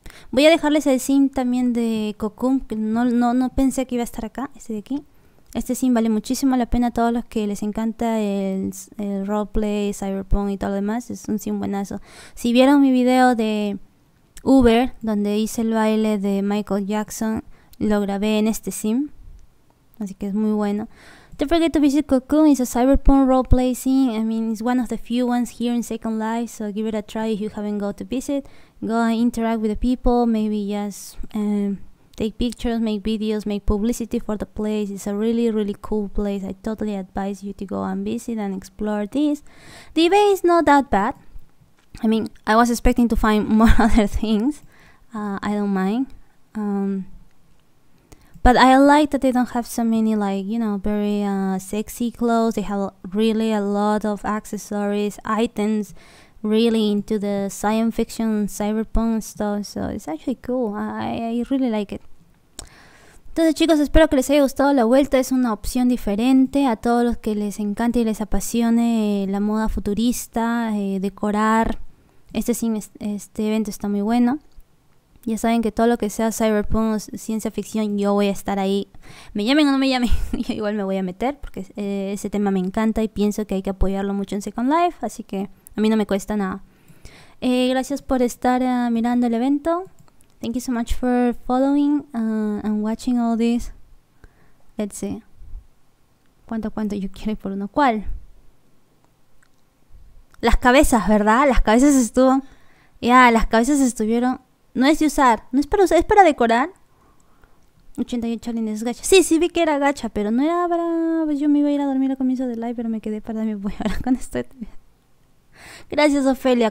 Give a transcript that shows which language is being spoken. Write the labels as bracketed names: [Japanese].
[Spanish] Voy a dejarles el sim también de Cocoon, que no pensé que iba a estar acá, este de aquí. Este sim vale muchísimo la pena a todos los que les encanta el roleplay, Cyberpunk y todo lo demás. Es un sim buenazo. Si vieron mi video de Uber, donde hice el baile de Michael Jackson, lo grabé en este sim. Así que es muy bueno. [English] Don't forget to visit Cocoon, it's a Cyberpunk roleplay sim. I mean, it's one of the few ones here in Second Life, so give it a try if you haven't gone to visit. Go and interact with the people, maybe just take pictures, make videos, make publicity for the place. It's a really, really cool place. I totally advise you to go and visit and explore this. The event is not that bad. I mean, I was expecting to find more other things. I don't mind. But I like that they don't have so many, like, you know, very sexy clothes. They have really a lot of accessories, items. Really into the science fiction, cyberpunk stuff, so it's actually cool. I really like it. [Spanish] Entonces, chicos, espero que les haya gustado la vuelta. Es una opción diferente a todos los que les encante y les apasione la moda futurista, decorar. Este evento está muy bueno. Ya saben que todo lo que sea cyberpunk, ciencia ficción, yo voy a estar ahí. Me llamen o no me llamen, yo igual me voy a meter porque ese tema me encanta y pienso que hay que apoyarlo mucho en Second Life, así que a mí no me cuesta nada. Gracias por estar mirando el evento. [English] Thank you so much for following and watching all this. Let's see. [Spanish] ¿Cuánto yo quiero por uno? ¿Cuál? Las cabezas, ¿verdad? Las cabezas estuvo. Ya, las cabezas estuvieron. No es de usar. No es para usar, es para decorar. 88 lindes gacha. Sí, vi que era gacha, pero no era para... Pues yo me iba a ir a dormir al comienzo del live, pero me quedé para mi voy ahora con esto. Gracias, Ofelia.